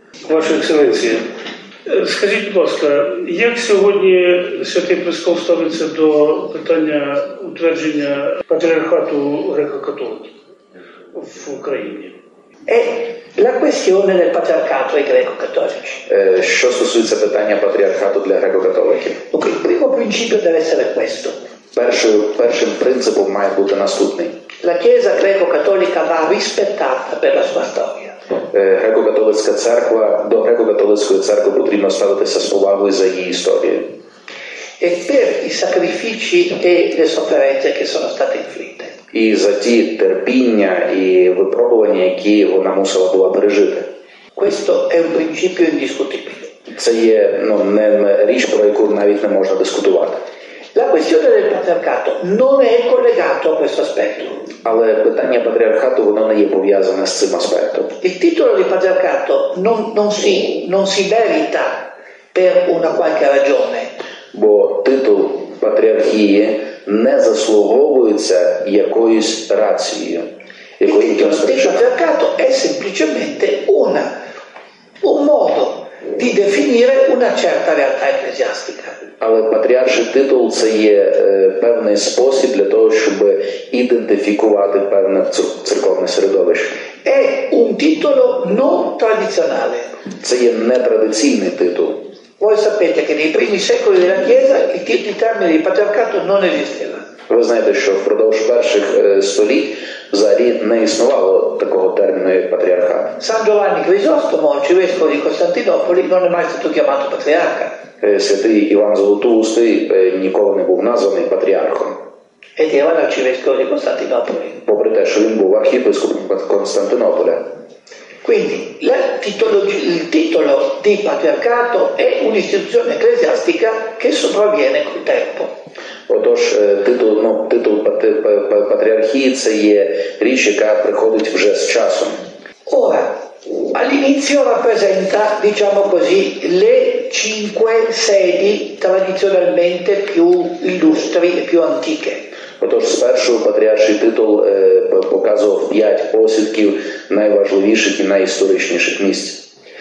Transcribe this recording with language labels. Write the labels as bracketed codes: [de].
[uk] Ваша Екселенція, скажіть, будь ласка, як сьогодні Святий Престол ставиться до питання утвердження патріархату греко-католиків в Україні? [it] La questione del patriarcato ai greco-cattolici. [uk] Що стосується питання патріархату для греко-католиків? [it] Okay, il primo principio deve essere questo. [uk] Першим принципом має бути наступний. [it] La Chiesa greco-cattolica va rispettata per la sua storia. [uk] Греко-католицька церква, до греко-католицької церкви потрібно ставитися з повагою за її історію. [it] E per i sacrifici e le sofferenze che sono state inflitte. [uk] І за ті терпіння і випробування, які вона мусила була пережити. [it] Questo è un principio indiscutibile. [uk] Це є не річ, про яку навіть не можна дискутувати. [it] La questione del patriarcato non è collegato a questo aspetto. [uk] Але питання патріархату, воно не є пов'язане з цим аспектом. [it] Il titolo di patriarcato non si merita per una qualche ragione. [uk] Бо титул патріархії не заслуговується якоюсь рацією. [it] Il patriarcato è semplicemente un modo di definire una certa realtà ecclesiastica. [uk] Але патріарший титул – це є певний спосіб для того, щоб ідентифікувати певне церковне середовище. [it] È un titolo non tradizionale. [uk] Це є нетрадиційний титул. [it] Voi sapete che nei primi secoli della Chiesa il termine di patriarcato non esisteva. [uk] Ви знаєте, що впродовж перших століть взагалі не існувало такого терміну як патріархат. [it] Сан Джованні Крізостомо, арцивєскуп di Костянтинополі, non è mai stato chiamato патріарха. [uk] Святий Іван Золотоустий ніколи не був названий патріархом. [it] Ed era l'arcivescovo di Costantinopoli. [uk] Попри те, що він був архієпископом Константинополя. [it] Quindi il titolo di patriarcato è un'istituzione ecclesiastica che sopravviene col tempo. [uk] Отож, титул, ну, титул патріархії – це є річ, яка приходить вже з часом. [it] Ora, all'inizio rappresenta, diciamo così, le cinque sedi tradizionalmente più illustri e più antiche. [uk] Отож, спершу патріарший титул показував п'ять посвідків найважливіших і найісторичніших місць.